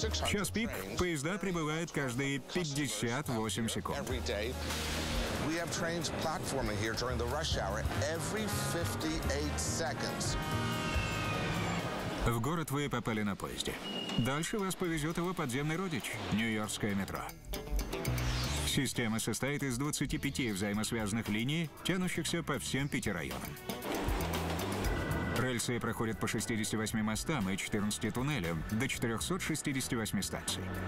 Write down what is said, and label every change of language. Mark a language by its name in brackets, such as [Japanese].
[Russian] Час пик, поезда прибывают каждые 58 секунд. [English] We have trains platforming here during the rush hour every 58 seconds. [Russian] В город вы попали на поезде. Дальше вас повезет его подземный родич – Нью-Йоркское метро. Система состоит из 25 взаимосвязанных линий, тянущихся по всем 5 районам. Рельсы проходят по 68 мостам и 14 туннелям до 468 станций.